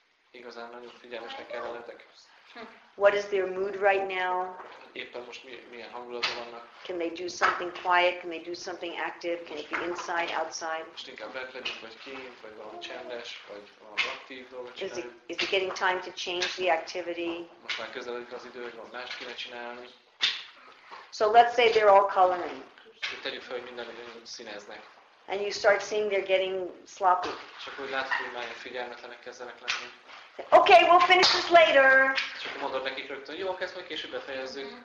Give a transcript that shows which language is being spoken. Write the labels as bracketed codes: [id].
[hu] Igazán nagyon figyelmesnek kell lennetek. [en] What is their mood right now? [hu] Éppen most milyen hangulatban vannak? [en] Can they do something quiet? Can they do something active? Can it be inside, outside? [hu] Most inkább bent legyünk, vagy kint, vagy valami csendes, vagy valami aktív dolgot csinálni. [en] Is it getting time to change the activity? [hu] Most már közeledik az idő, hogy valami mást kéne csinálni. [en] So let's say they're all coloring. [hu] Tegyük fel, hogy minden színeznek. [en] And you start seeing they're getting sloppy. [hu] Csak úgy látod, hogy már figyelmetlenek kezdenek lenni. [en] Okay, we'll finish this later. [hu] Csak mondod nekik rögtön, jó, kezd meg később befejezzük.